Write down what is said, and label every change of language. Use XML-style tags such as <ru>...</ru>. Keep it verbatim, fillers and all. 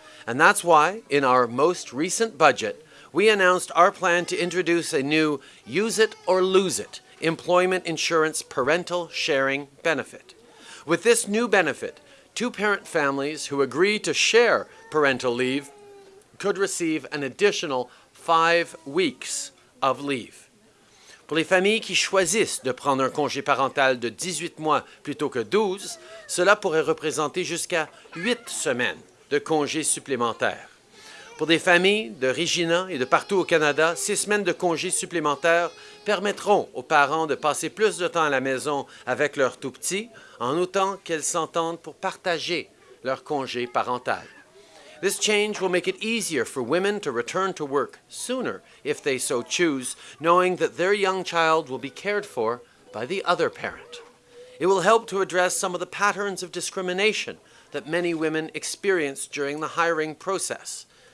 <en>And that's why, in our most recent budget, we announced our plan to introduce a new Use It or Lose It employment insurance parental sharing benefit. With this new benefit, two-parent families who agree to share parental leave could receive an additional five weeks of leave.</en> <fr>Pour les familles qui choisissent de prendre un congé parental de dix-huit mois plutôt que douze, cela pourrait représenter jusqu'à huit semaines de congés supplémentaires. Pour des familles de Regina et de partout au Canada, ces semaines de congés supplémentaires permettront aux parents de passer plus de temps à la maison avec leurs tout-petits, en autant qu'elles s'entendent pour partager leur congé parental.</fr> <en>This change will make it easier for women to return to work sooner if they so choose, knowing that their young child will be cared for by the other parent. It will help to address some of the patterns of discrimination that many women experience during the hiring process.</en>